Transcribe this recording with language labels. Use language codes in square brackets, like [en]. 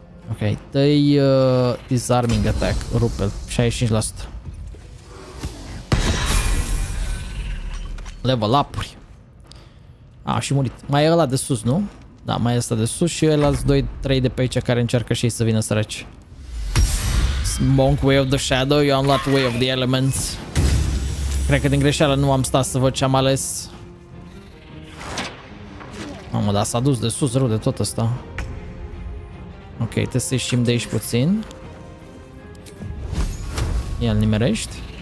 [ro] Ok, dă-i disarming attack, rupe-l, 65%. Level up-uri. A, și murit. Mai e ăla de sus, nu? Da, mai e ăsta de sus și ăla-s 2-3 de pe aici care încearcă și ei să vină săraci. [en] Monk Way of the Shadow, you unlock Way of the Elements. [ro] Cred că din greșeală nu am stat să văd ce am ales. Mamă, dar s-a dus de sus rău de tot ăsta. Ok, trebuie să ieșim de aici puțin. Ia-l nimerești.